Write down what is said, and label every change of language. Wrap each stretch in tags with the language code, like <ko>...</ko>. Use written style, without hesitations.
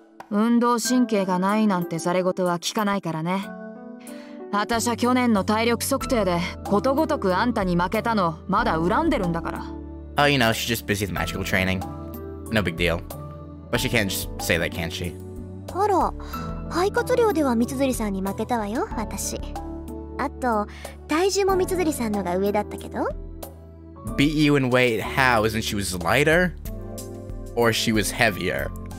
<ja>運動神経がないなんてざれ言は聞かないからね。私は去年の体力測定でことごとくあんたに負けたの、まだ恨んでるんだから。</ja> <en>Oh, you know, she's just busy with magical training. No big deal. But she can't just say that, can she?</en> <ja>あら、肺活量では三鶴さんに負けたわよ、私。あと、体重も三鶴さんのが上だったけど。</ja> <en>Beat you in weight, how? Isn't she was lighter? Or she was heavier?</en>